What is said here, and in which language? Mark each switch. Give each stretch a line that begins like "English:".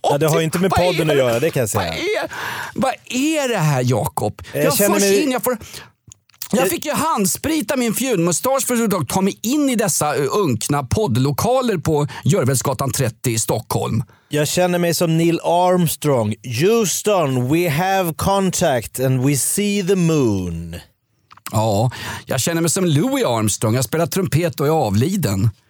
Swedish: Ja, det har ju inte med podden att göra, det kan jag säga. Vad är det här, Jakob? Jag känner mig... Jag fick ju handsprita min fjunmustasch för att ta mig in i dessa unkna poddlokaler på Görvelsgatan 30 i Stockholm. Jag känner mig som Neil Armstrong.
English: Houston, we have contact and we see the moon.
Swedish: Ja, jag känner mig som Louis Armstrong. Jag spelar trumpet och är avliden.